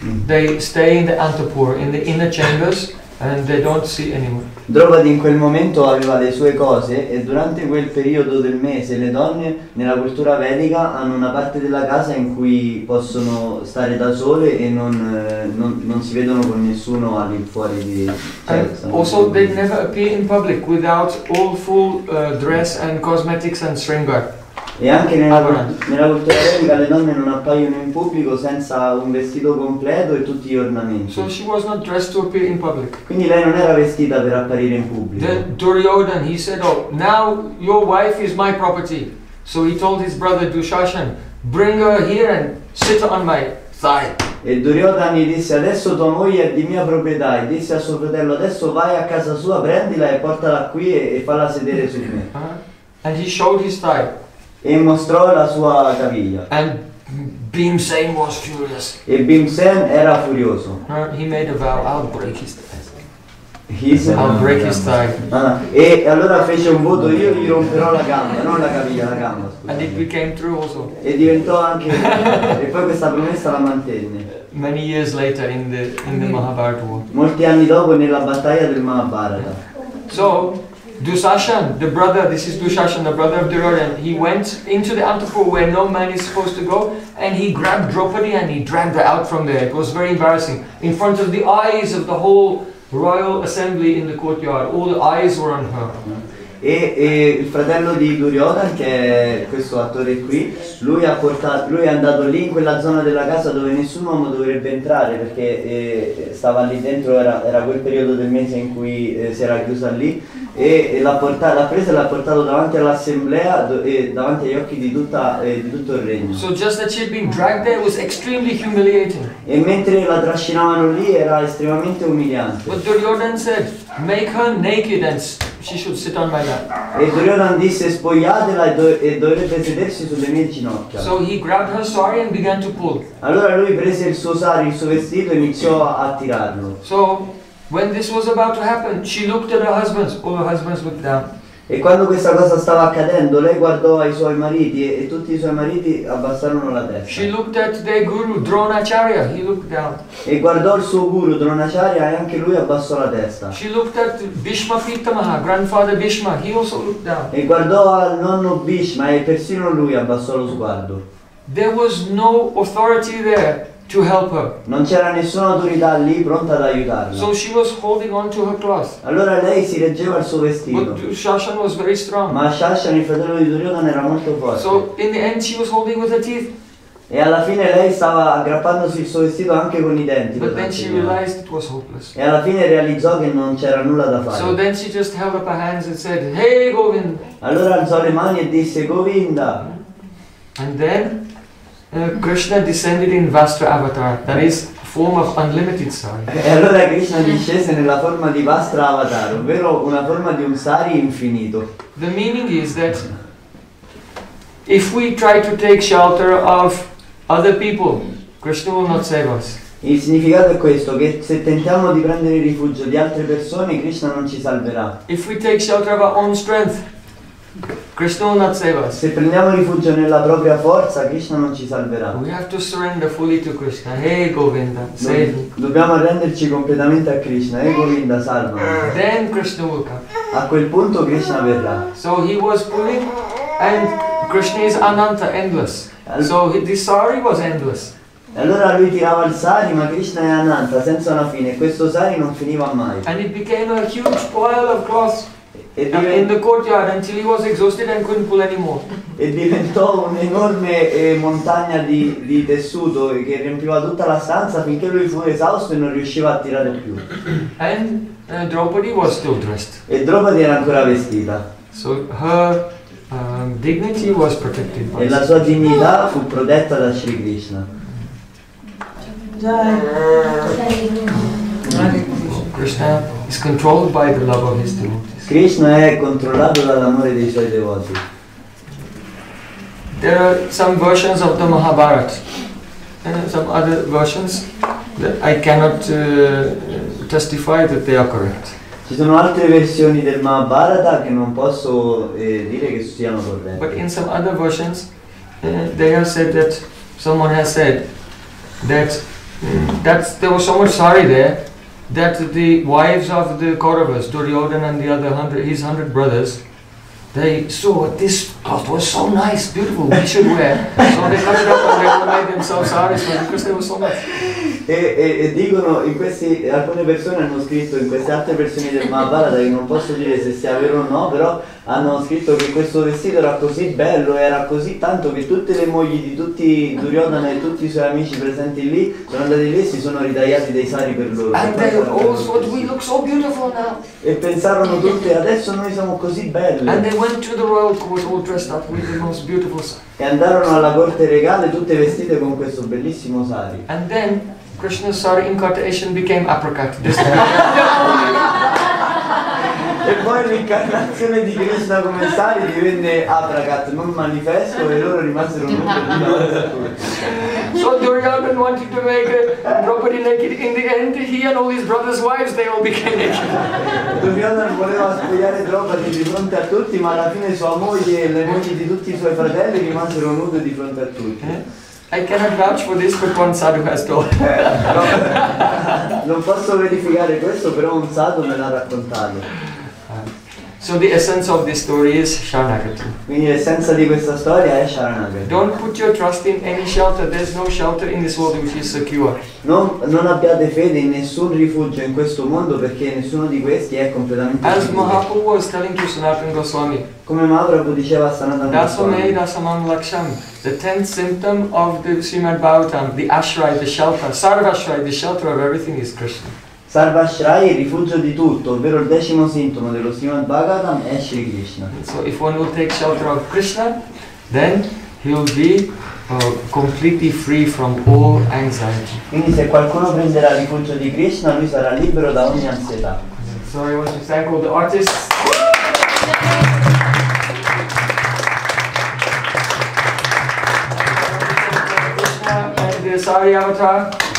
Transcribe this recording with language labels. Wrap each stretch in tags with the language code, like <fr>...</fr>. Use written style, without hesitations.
<en>They stay in the antapur, in the inner chambers, and they don't see anyone.</en> <it>Draupadi in quel momento aveva le sue cose e durante quel periodo del mese le donne nella cultura vedica hanno una parte della casa in cui possono stare da sole e non si vedono con nessuno al fuori di casa.</it> <en>Also they never appear in public without all full dress and cosmetics and sringar.</en> <it>E anche nella cultura vedica le donne non appaiono in pubblico senza un vestito completo e tutti gli ornamenti.</it> <en>So she was not dressed to appear in public.</en> <it>Quindi lei non era vestita per apparire in pubblico.</it> <en>Then Duryodhana, he said, oh, now your wife is my property. So he told his brother Dushasan, bring her here and sit on my thigh.</en> <it>E Duryodhana gli disse, adesso tua moglie è di mia proprietà, e disse a suo fratello, adesso vai a casa sua, prendila e portala qui e falla sedere su me.</it> <en>And he showed his thigh.</en> <it>E mostrò la sua caviglia.</it> <en>And Bhimsen was furious.</en> <it>E Bhimsen era furioso.</it> <en>He made a vow, I'll break his thigh. I'll break his thigh.</en> <it>E allora fece un voto, io gli romperò la gamba, non la caviglia, la gamba. Scusami.</it> <en>And it became true also.</en> <it>E diventò anche. E poi questa promessa la mantenne.</it> <en>Many years later in the Mahabharata war.</en> <it>Molti anni dopo nella battaglia del Mahabharata.</it> <en>So. Dushasan, the brother, this is Dushasan, the brother of Duryodhana, he went into the antapur where no man is supposed to go, and he grabbed Draupadi and he dragged her out from there. It was very embarrassing. In front of the eyes of the whole royal assembly in the courtyard, all the eyes were on her.</en> <it>e il fratello di Duryodhan, che è questo attore qui, lui ha portato, lui è andato lì in quella zona della casa dove nessun uomo dovrebbe entrare, perché stava lì dentro, era quel periodo del mese in cui si era chiusa lì, e l'ha portato, l'ha preso e l'ha portato davanti all'assemblea e davanti agli occhi di tutta di tutto il regno.</it> <en>So just that she had been dragged there was extremely humiliating.</en> <it>E mentre la trascinavano lì era estremamente umiliante.</it> <en>But Duryodhan said, make her naked and she should sit on my lap.</en> <it>E Duryodhan disse, spogliatela e dovrebbe sedersi sulle mie ginocchia.</it> <en>So he grabbed her sari and began to pull.</en> <it>Allora lui prese il suo sari, il suo vestito, e iniziò a tirarlo.</it> <en>So when this was about to happen, she looked at her husband. All her husbands looked down.</en> <it>E quando questa cosa stava accadendo, lei guardò ai suoi mariti e tutti i suoi mariti abbassarono la testa.</it> <en>She looked at their guru Dronacharya. He looked down.</en> <it>E guardò il suo guru Dronacharya e anche lui abbassò la testa.</it> <en>She looked at Bhishma Pitamaha, grandfather Bhishma. He also looked down.</en> <it>E guardò al nonno Bhishma e persino lui abbassò lo sguardo.</it> <en>There was no authority there to help her.</en> <it>Non c'era nessuna autorità lì pronta ad aiutarla.</it> <en>So she was holding on to her cloth.</en> <it>Allora lei si reggeva al suo vestito.</it> <en>But Shashan was very strong.</en> <it>Ma Shashan, il fratello di Duryodhan, era molto forte.</it> <en>So in the end she was holding with her teeth.</en> <it>E alla fine lei stava aggrappandosi il suo vestito anche con i denti.</it> <en>But then she realized it was hopeless.</en> <it>E alla fine realizzò che non c'era nulla da fare.</it> <en>So then she just held up her hands and said, "Hey Govinda."</en> <it>Allora alzò le mani e disse, "Govinda."</it> <en>And then Krishna descended in Vastra avatar, that is form of unlimited sari.</en> <it>E allora Krishna discese nella forma di Vastra avatar, ovvero una forma di un sari infinito.</it> <en>The meaning is that if we try to take shelter of other people, Krishna will not save us.</en> <it>Il significato è questo, che se tentiamo di prendere rifugio di altre persone, Krishna non ci salverà.</it> <en>If we take shelter of our own strength, Krishna will not save us.</en> <it>Se prendiamo rifugio nella propria forza, Krishna non ci salverà.</it> <en>We have to surrender fully to Krishna. Hey Govinda, save me.</en> <it>Dobbiamo arrenderci completamente a Krishna. Hey Govinda, salva.</it> <en>Then Krishna will come.</en> <it>A quel punto Krishna verrà.</it> <en>So he was pulling and Krishna is Ananta, endless. So this sari was endless.</en> <it>Allora lui tirava il sari, ma Krishna è Ananta, senza una fine. Questo sari non finiva mai.</it> <en>And it became a huge pile of cloth. In the courtyard until he was exhausted and couldn't pull anymore.</en> <it>E diventò un'enorme montagna di tessuto che riempiva tutta la stanza finché lui fu esausto e non riusciva a tirare più.</it> <en>And Draupadi was still dressed.</en> <it>E Draupadi era ancora vestita.</it> <en>So her dignity was protected.</en> <it>E la sua dignità fu protetta da Sri Krishna.</it> <en>Krishna is controlled by the love of his devotees.</en> <it>Krishna è controllato dall'amore dei suoi devoti.</it> <en>There are some versions of the Mahabharata and some other versions that I cannot testify that they are correct.</en> <it>Ci sono altre versioni del Mahabharata che non posso dire che siano corrette.</it> <en>But in some other versions they have said that someone has said that there was so much sorry there that the wives of the Kauravas, Duryodhan and the other his hundred brothers, they saw this cloth was so nice, beautiful, we should wear. So they cut it up and they made themselves saris because they were so nice.</en> <it>E dicono in questi, alcune persone hanno scritto in queste altre versioni del Mahabharata, che non posso dire se sia vero o no, però hanno scritto che questo vestito era così bello, era così tanto che tutte le mogli di tutti Duryodhan e tutti i suoi amici presenti lì sono andati lì e si sono ritagliati dei sari per loro.</it> <en>And they also thought we look so beautiful now.</en> <it>E pensarono tutte, adesso noi siamo così belli.</it> <en>And they went to the royal court all dressed up with the most beautiful sari.</en> <it>E andarono alla corte regale tutte vestite con questo bellissimo sari.</it> <en>And then Krishna's sari incarnation became apricot.</en> <it>E poi l'incarnazione di Krishna come sari divenne apricot, non manifesto, e loro rimasero nudi.</it> <en>So Duryodhan wanted to make Draupadi naked. In the end, he and all his brothers' wives, they all became naked.</en> <it>Duryodhan voleva spogliare Draupadi di fronte a tutti, ma alla fine sua moglie e le mogli di tutti i suoi fratelli rimasero nude di fronte a tutti.</it> <en>I cannot vouch for this, but one sadhu has told.</en> <it>Non posso verificare questo, però un sadhu me l'ha raccontato.</it> <en>So the essence of this story is Sharanagati.</en> <it>Quindi l'essenza di questa storia è Sharanagati.</it> <en>Don't put your trust in any shelter. There's no shelter in this world which is secure.</en> <it>Non abbiate fede in nessun rifugio in questo mondo perché nessuno di questi è completamente sicuro.</it> <en>As Mahaprabhu was telling to Sanatana Goswami.</en> <it>Come Mahaprabhu diceva a Sanatana Goswami.</it> <en>Dasamam Laksham, the tenth symptom of the Srimad Bhagavatam, the ashray, the shelter, sarvashray, the shelter of everything is Krishna.</en> <it>Sarvashray, il rifugio di tutto, ovvero il decimo sintomo dello Srimad Bhagavatam è Shri Krishna.</it> <en>So if one will take shelter of Krishna, then he will be completely free from all anxiety.</en> <it>Quindi se qualcuno prenderà il rifugio di Krishna, lui sarà libero da ogni ansietà.</it> <en>So I want to thank all the artists. Sorry, Avatar.</en>